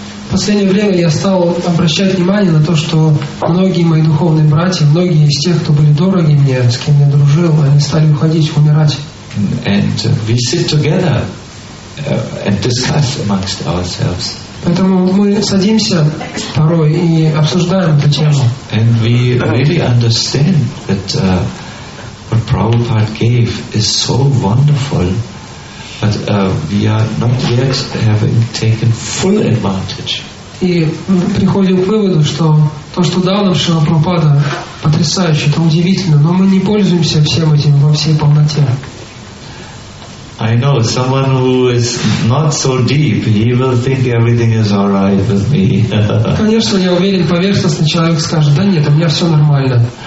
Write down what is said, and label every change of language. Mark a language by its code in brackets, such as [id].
[ru] В последнее время я стал обращать внимание на то, что многие мои духовные братья, многие из тех, кто были дороги мне, с кем я дружил, они стали уходить, умирать. [en] And we sit together and discuss amongst ourselves. [ru] Поэтому мы садимся порой и обсуждаем эту тему. [en] And we really understand that what Prabhupada gave is so wonderful. But we are not yet having taken full advantage. [ru] И приходим к выводу, что то, что дал нам Шрила Прабхупада, потрясающе, это удивительно, но мы не пользуемся всем этим во всей полноте. [en] I know someone who is not so deep, he will think everything is all right with me. [ru] Конечно, я уверен, поверхностный человек скажет: да нет, у меня все нормально.